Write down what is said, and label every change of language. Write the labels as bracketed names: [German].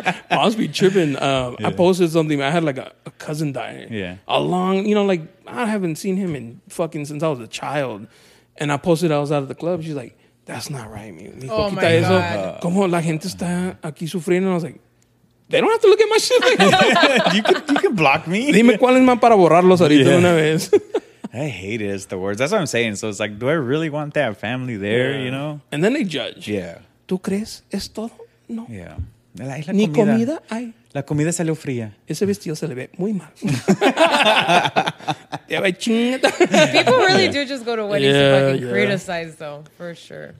[English] Moms be tripping. I posted something. I had like a cousin die. Yeah. I haven't seen him in fucking since I was a child. And I posted, I was out of the club. She's like, that's not right, [Spanish] mijo. Oh, quita my eso. God. Como la gente está aquí sufriendo. [English] And I was like, they don't have to look at my shit. you can block me. [Spanish] Dime cuáles van para borrarlos ahorita una vez. [English] I hate it. It's the worst. That's what I'm saying. So it's like, do I really want that family there, you know? And then they judge. Yeah. [Spanish] ¿Tú crees? ¿Es todo? No. [English] Yeah. [Spanish] La comida. Ni comida hay. La comida salió fría. Ese vestido se le ve muy mal. [English] People really do just go to weddings to fucking criticize, though, for sure.